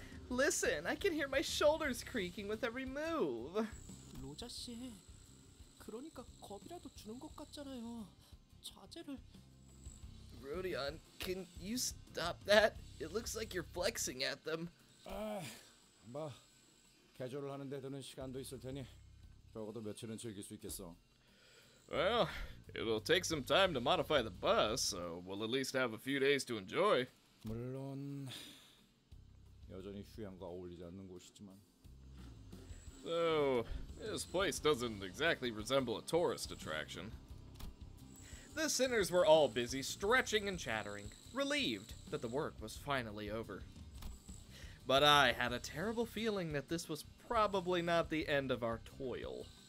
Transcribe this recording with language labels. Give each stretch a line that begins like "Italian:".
English: Listen, I can hear my shoulders creaking with every move.
Korean: 로자 씨, 그러니까 겁이라도 주는 것 같잖아요. 자제를.
English: Rodion, can you stop that? It looks like you're flexing at them.
Korean: 뭐 개조를 하는데 드는 시간도 있을 테니 적어도 며칠은 즐길 수 있겠어.
English: Well, it'll take some time to modify the bus, so we'll at least have a few days to enjoy.
Korean: 물론 여전히 휴양과 어울리지 않는 곳이지만.
English: So, this place doesn't exactly resemble a tourist attraction. The sinners were all busy stretching and chattering, relieved that the work was finally over. But I had a terrible feeling that this was probably not the end of our toil.